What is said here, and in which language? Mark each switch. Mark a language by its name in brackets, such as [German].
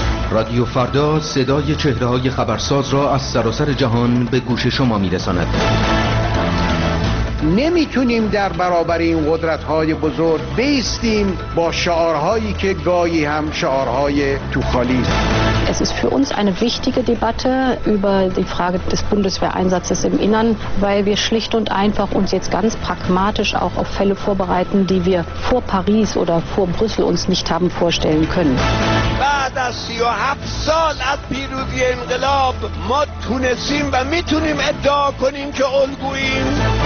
[Persian] رادیو فردا صدای چهره‌های خبرساز را از سراسر جهان به گوش شما می‌رساند. نمیتونیم در برابر این قدرت‌های بزرگ بیستیم با شعارهایی که گاهی هم شعارهای توخالی است. [German] Es ist für uns eine wichtige Debatte über die Frage des Bundeswehreinsatzes im Innern, weil wir schlicht und einfach uns jetzt ganz pragmatisch auch auf Fälle vorbereiten, die wir vor Paris oder vor Brüssel uns nicht haben vorstellen können. [Persian] بعد از 37 سال از پیروزی انقلاب ما تونستیم و میتونیم ادعا کنیم که الگوییم.